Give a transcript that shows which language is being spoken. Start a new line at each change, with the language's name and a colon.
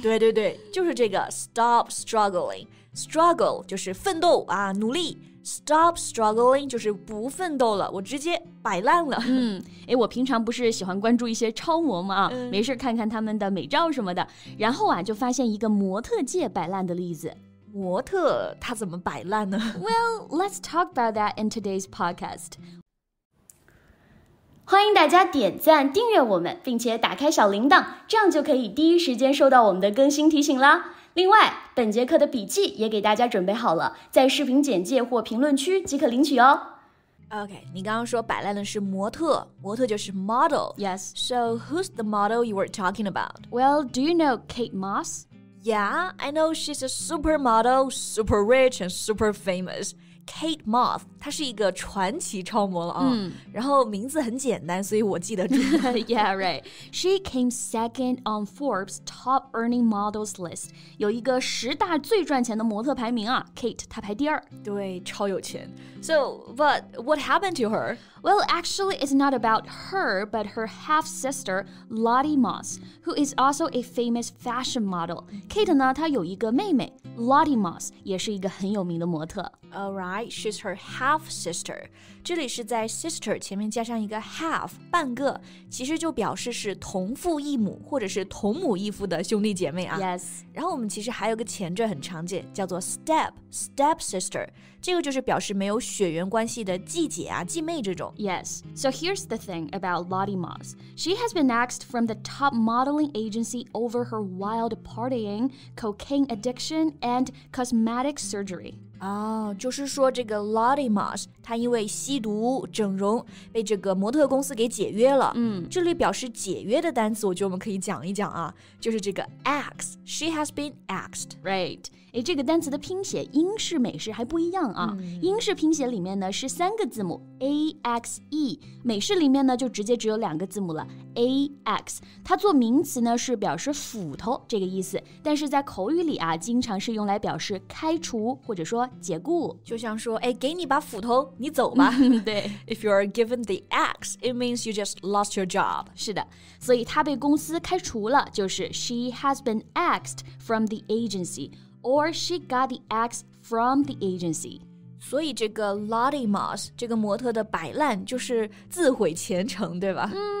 Chinese: 对对对，就是这个
English: stop struggling.
Chinese: Struggle 就是奋斗啊，努力。
English: Stop struggling
Chinese: 就是不奋斗了，我直接摆烂了。哎，我平常不是喜欢关注一些超模吗？没事看看他们的美照什么的，然后啊，就发现一个模特界摆烂的例子。模特他怎么摆烂呢
English: ？Well, let's talk about that in today's podcast.
Chinese: 欢迎大家点赞、订阅我们，并且打开小铃铛，这样就可以第一时间收到我们的更新提醒啦。另外，本节课的笔记也给大家准备好了，在视频简介或评论区即可领取哦。 OK, 你刚刚说摆烂的是模特，模特就是 model.
English: Yes. So, who's the model you were talking about? Well, do you know Kate Moss? Yeah, I know she's a supermodel, super rich and super famous.
Chinese: Kate Moss, 她是一个传奇超模了啊。然后名字很简单，所以我记得住。
English: Yeah, right. She came second on Forbes' top earning models list.
Chinese: 有一个十大最赚钱的模特排名啊 ,Kate, 她排第二。对，超有钱。
English: So, but what happened to her? Well, actually, it's not about her, but her half-sister, Lottie Moss, who is also a famous fashion model.
Chinese: Kate 呢，她有一个妹妹 ,Lottie Moss, 也是一个很有名的模特。
English: Alright, she's her half-sister.
Chinese: 这里是在 sister 前面加上一个 half, 半个，其实就表示是同父异母或者是同母异父的兄弟姐妹啊。
English: Yes.
Chinese: 然后我们其实还有个前缀很常见，叫做 step-sister. 这个就是表示没有血缘关系的继姐啊、继妹这种。
English: Yes. So here's the thing about Lottie Moss. She has been axed from the top modeling agency over her wild partying, cocaine addiction, and cosmetic surgery.
Chinese: 哦、就是说这个 Lottie Moss 她因为吸毒整容被这个模特公司给解约了、这里表示解约的单词我觉得我们可以讲一讲啊，就是这个 axe
English: She has been axed
Chinese: Right 这个单词的拼写英式美式还不一样啊、英式拼写里面呢是三个字母 A-X-E 美式里面呢就直接只有两个字母了 A-X 它做名词呢是表示斧头这个意思但是在口语里啊经常是用来表示开除或者说解雇就像说哎，给你把斧头你走吧对
English: If you are given the axe It means you just lost your job
Chinese: 是的所以她被公司开除了就是
English: She has been axed from the agency Or she got the axe from the agency
Chinese: 所以这个 Lottie Moss 这个模特的摆烂就是自毁前程对吧